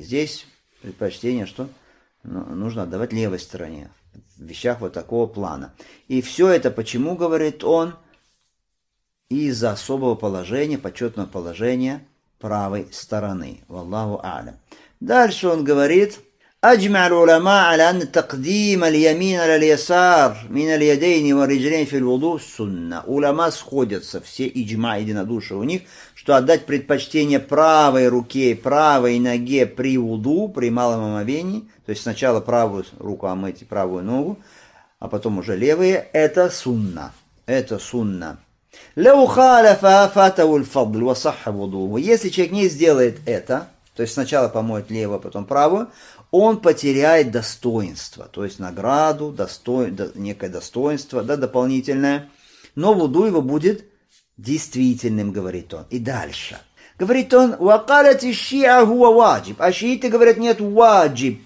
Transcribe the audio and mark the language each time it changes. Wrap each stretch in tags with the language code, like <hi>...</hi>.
<ru>Здесь предпочтение, что нужно отдавать левой стороне. В вещах вот такого плана. И все это почему говорит он? Из-за особого положения, почетного положения правой стороны. Валлаху алям. Дальше он говорит...</ru> <ar>أجمع العلماء على أن تقديم اليمين على اليسار من اليدين والرجلين في الوضوء سنة.</ar> <ru>علماء сходятся, все иджма, единодушие у них, что отдать предпочтение правой руке, правой ноге при вуду, при малом омовении, то есть сначала правую руку омыть, правую ногу, а потом уже левые, это сунна. Это сунна.</ru> <ar>لو خالف فاته الفضل وصح وضوءه.</ar> <ru>Если человек не сделает это, то есть сначала помоет левую, потом правую, он потеряет достоинство, то есть награду, некое достоинство, да, дополнительное. Но вуду его будет действительным, говорит он. И дальше. Говорит он,</ru> <ar>«Вакалят ишиа хуа ваджиб».</ar> <ru>А шииты говорят, нет, ваджиб.</ru>